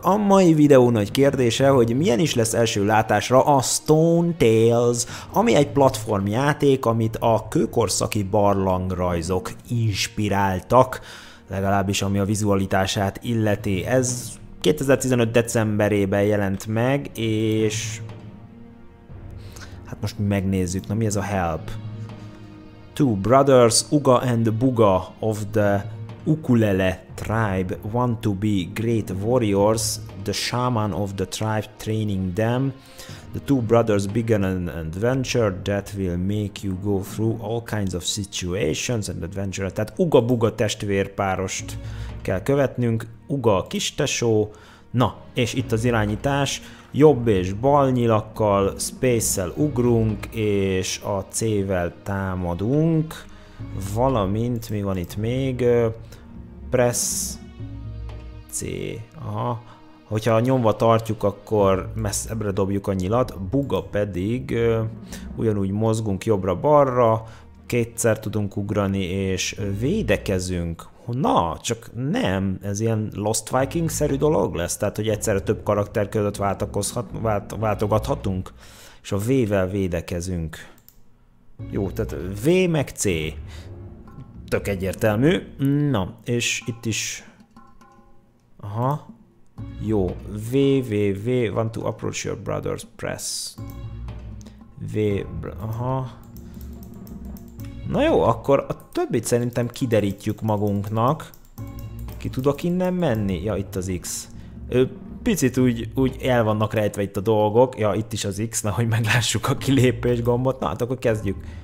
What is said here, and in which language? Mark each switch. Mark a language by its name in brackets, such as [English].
[Hungarian] A mai videó nagy kérdése, hogy milyen is lesz első látásra a Stone Tales, ami egy platformjáték, amit a kőkorszaki barlangrajzok inspiráltak, legalábbis ami a vizualitását illeti. Ez 2015 decemberében jelent meg, és... hát most megnézzük, na mi ez a Help? [English] Two brothers, Uga and Buga of the Ukulele tribe want to be great warriors, the shaman of the tribe training them. The two brothers begin an adventure that will make you go through all kinds of situations and adventure. [Hungarian] Tehát Uga-Buga testvérpárost kell követnünk, Uga a kistesó, na, és itt az irányítás, jobb és bal nyilakkal, space-szel ugrunk, és a C-vel támadunk, valamint, mi van itt még, press C, aha, hogyha nyomva tartjuk, akkor messzebbre dobjuk a nyilat, Buga pedig, ugyanúgy mozgunk jobbra-balra, kétszer tudunk ugrani, és védekezünk. Na, csak nem, ez ilyen Lost Viking-szerű dolog lesz, tehát hogy egyszerre több karakter között váltogathatunk, és a V-vel védekezünk. Jó, tehát V meg C. Tök egyértelmű. Na, és itt is... aha. [English] Jó, V, V, V, want to approach your brothers, press. [Hungarian] V, aha. Na jó, akkor a többit szerintem kiderítjük magunknak. Ki tudok innen menni? Ja, itt az X. Picit úgy el vannak rejtve itt a dolgok. Ja, itt is az X, nehogy meglássuk a kilépés gombot. Na, hát akkor kezdjük.